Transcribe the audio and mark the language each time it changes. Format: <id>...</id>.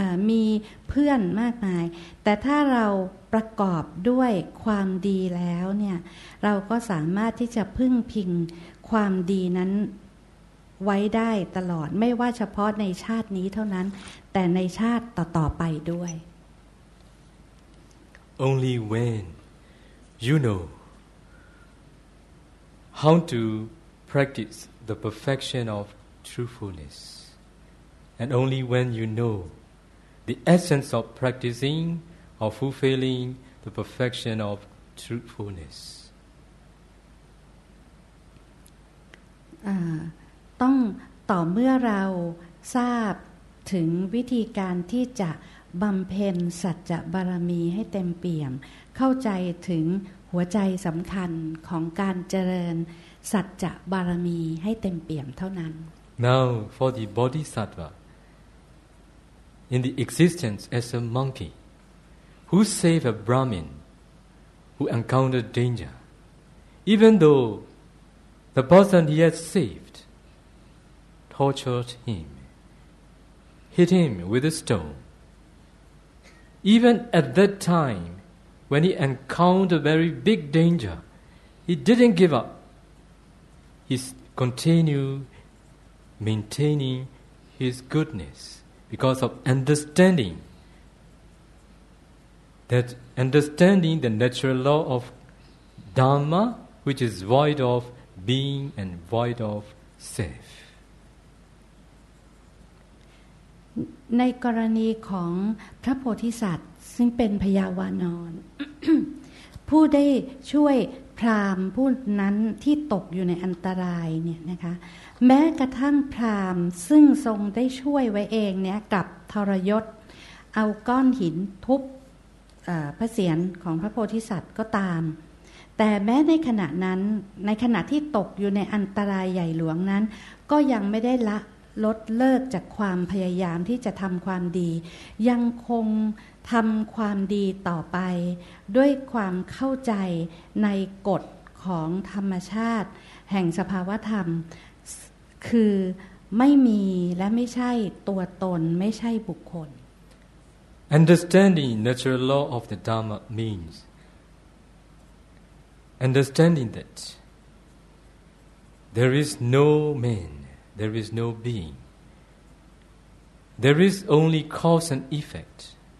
<th>มีเพื่อนมากมายแต่ถ้าเราประกอบด้วยความดีแล้วเนี่ยเราก็สามารถที่จะพึ่งพิงความดีนั้นไว้ได้ตลอดไม่ว่าเฉพาะในชาตินี้เท่านั้นแต่ในชาติต่อๆไปด้วย</th> <en>Only when you know how to practice the perfection of truthfulness and only when you know the essence of practicing or fulfilling the perfection of truthfulness</en> <th>ต้องต่อเมื่อเราทราบถึงวิธีการที่จะบำเพ็ญสัจบารมีให้เต็มเปี่ยมเข้าใจถึงหัวใจสำคัญของการเจริญสัจบารมีให้เต็มเปี่ยมเท่านั้น</th> <en>Now for the Bodhisattva in the existence as a monkey who save a Brahmin who encountered danger even though the person he has savedTortured him, hit him with a stone. Even at that time, when he encountered very big danger, he didn't give up. He continued maintaining his goodness because of understanding the natural law of Dharma, which is void of being and void of self.</en> <th>ในกรณีของพระโพธิสัตว์ซึ่งเป็นพยาวานร ผู้ได้ช่วยพราหมณ์ผู้นั้นที่ตกอยู่ในอันตรายเนี่ยนะคะแม้กระทั่งพราหมณ์ซึ่งทรงได้ช่วยไว้เองเนี่ยกับทรยศเอาก้อนหินทุบ พระเศียรของพระโพธิสัตว์ก็ตามแต่แม้ในขณะนั้นในขณะที่ตกอยู่ในอันตรายใหญ่หลวงนั้นก็ยังไม่ได้ละลดเลิกจากความพยายามที่จะทำความดียังคงทำความดีต่อไปด้วยความเข้าใจในกฎของธรรมชาติแห่งสภาวธรรมคือไม่มีและไม่ใช่ตัวตนไม่ใช่บุคคล</th> <en>Understanding natural law of the Dharma means understanding that there is no man. There is no being. There is only cause and effect.</en>